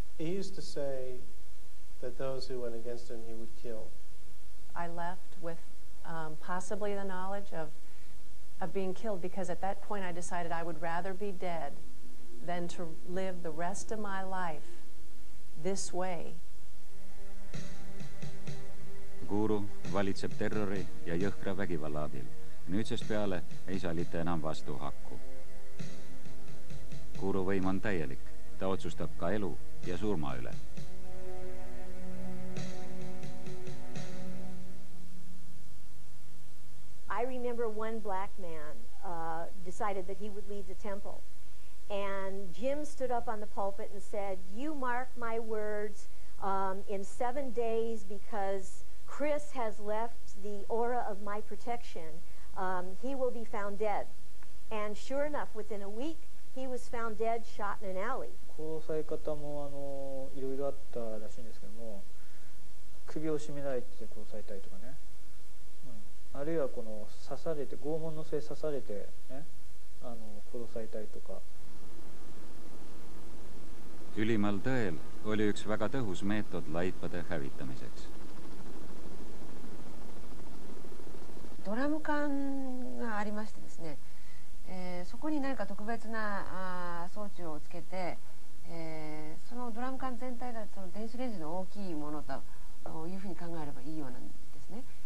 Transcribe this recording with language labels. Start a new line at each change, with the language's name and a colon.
English: He used to say that those who went against him, he would kill. I left with possibly the knowledge of being killed, because at that point I decided I would rather be dead than to live the rest of my life this way.
Estonian: Guru valitseb terrori ja jõhkra vägivalla abil. Nüüdsest peale ei saa lite enam vastu hakku. Guru võim on täielik. Ta otsustab ka elu ja surma üle.
English: I remember one black man decided that he would leave the temple. And Jim stood up on the pulpit and said, you mark my words in 7 days, because Chris has left the aura of my protection, he will be found dead. And sure enough, within a week, he was found dead, shot in an alley.
Japanese: 殺され方もいろいろあったらしいんですけども、首を絞められて殺されたりとかね、あるいはこの刺されて拷問の末刺されて、ね、あの殺されたりとか。
Estonian: Ülimal tõel oli üks väga tõhus meetod laipade hävitamiseks.
Japanese: ドラム缶がありましてですね、そこに何か特別な装置をつけて、そのドラム缶全体がその電子レンジの大きいものだというふうに考えればいいようなんですね。